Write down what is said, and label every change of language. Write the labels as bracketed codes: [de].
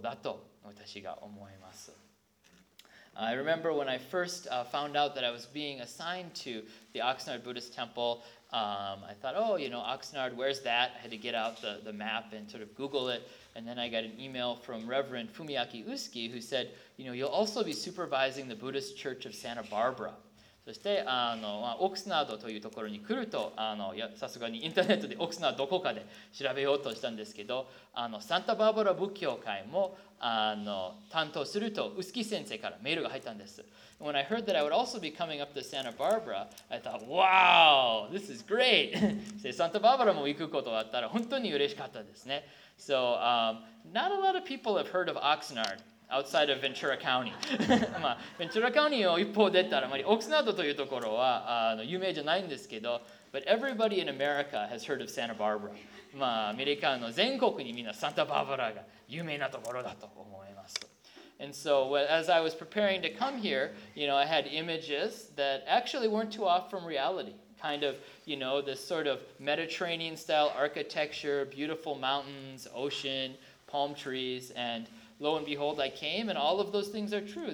[ja] そして仏法の中に全ては無常である、全ては常に移り変わっていることがあるという教えなんですけど、この仏教界の構成もそうだと私が思います。 [en] I remember when I first found out that I was being assigned to the Oxnard Buddhist Temple, I thought, oh, you know, Oxnard, where's that? I had to get out the map and sort of Google it. And then I got an email from Reverend Fumiaki Usuki who said, you know, you'll also be supervising the Buddhist Church of Santa Barbara. So [ja] そしてまあ、オクスナードというところに来るとさすがにインターネットでオクスナードどこかで調べようとしたんですけど、サンタバーバラ仏教会も担当すると臼杵先生からメールが入ったんです。 [en] When I heard that I would also be coming up to Santa Barbara, I thought, wow, this is great! [ja] でサンタバーバラも行くことがあったら本当に嬉しかったですね。 [en] So, not a lot of people have heard of Oxnard. Outside of Ventura County. [ja] まあ、Ventura County を一方出たら、あまりオクスナードというところは有名じゃないんですけど、 [en] But everybody in America has heard of Santa Barbara. [ja] まあ、アメリカの全国にみんなサンタバーバラが有名なところだと思います。 [en] And so, as I was preparing to come here, you know, I had images that actually weren't too off from reality. Kind of, you know, this sort of Mediterranean-style architecture, beautiful mountains, ocean, palm trees, andLo and behold, I came, and all of those things are true.